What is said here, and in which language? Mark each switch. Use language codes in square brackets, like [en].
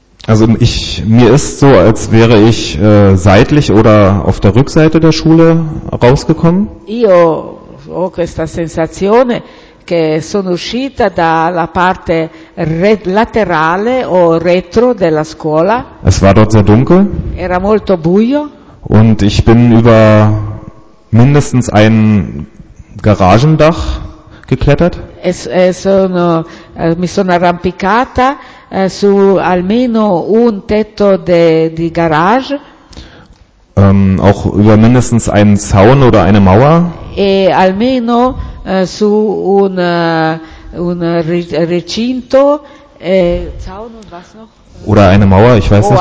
[de] Mir ist so, als wäre ich seitlich oder auf der Rückseite der Schule rausgekommen. [it] Io ho questa sensazione che sono uscita dalla parte laterale o retro della scuola. [de] Es war dort sehr dunkel [it] Era molto buio. [de] und ich bin über mindestens ein Garagendach geklettert. [it] Mi sono arrampicata su almeno un tetto di garage. [de] Auch über mindestens einen Zaun oder eine Mauer. [it] E almeno su un recinto, [de] Zaun und was noch? Oder eine Mauer, ich weiß nicht